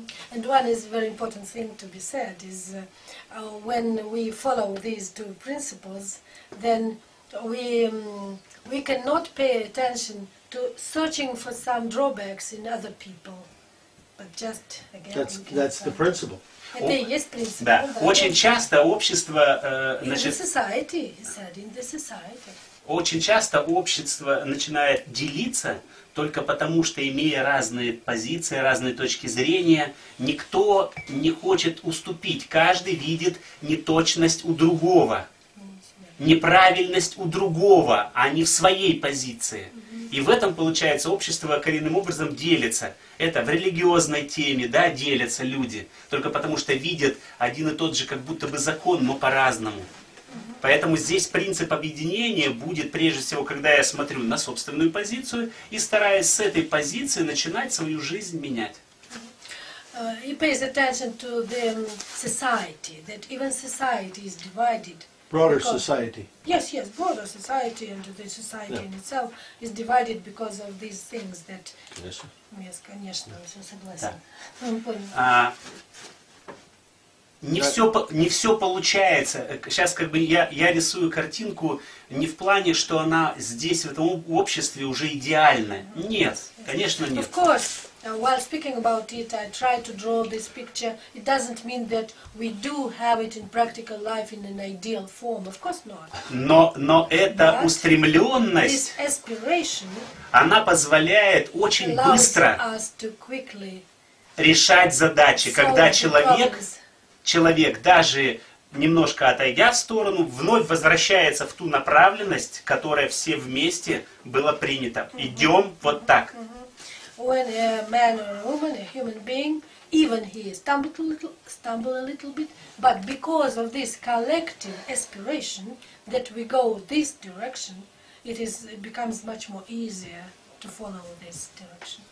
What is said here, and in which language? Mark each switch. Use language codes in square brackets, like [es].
[en] And one is very important thing to be said is when we follow these two principles, then we cannot pay attention to searching for some drawbacks in other people, but just again. That's the principle. [ru] Это и есть принцип. Да. Очень часто общество, значит. [en] In the society, he said, in the society. [ru] Очень часто общество начинает делиться. Только потому, что имея разные позиции, разные точки зрения, никто не хочет уступить. Каждый видит неточность у другого, неправильность у другого, а не в своей позиции. И в этом, получается, общество коренным образом делится. Это в религиозной теме, да, делятся люди. Только потому, что видят один и тот же, как будто бы закон, но по-разному. Поэтому здесь принцип объединения будет прежде всего, когда я смотрю на собственную позицию и стараюсь с этой позиции начинать свою жизнь менять. [en] He pays attention to the society, that even society is divided. Broader society. Yes, yes, broader society and the society in itself is divided because of these things that... Yes, [ru] конечно, все согласен. Да. Не все получается. Сейчас как бы я рисую картинку не в плане, что она здесь, в этом обществе, уже идеальна. Нет, конечно, нет. [en] Of course, while speaking about it, I try to draw this picture. It doesn't mean that we do have it in practical life in an ideal form. Of course not. [ru] Но эта устремленность, [en] this aspiration, [ru] она позволяет очень быстро [en] us to quickly [ru] решать задачи, когда человек... Человек, даже немножко отойдя в сторону, вновь возвращается в ту направленность, которая все вместе была принята. Идем вот так. [en] When a man or a woman, a human being, even he stumbled a little bit, but because of this collective aspiration that we go this direction, it becomes much more easier to follow this direction.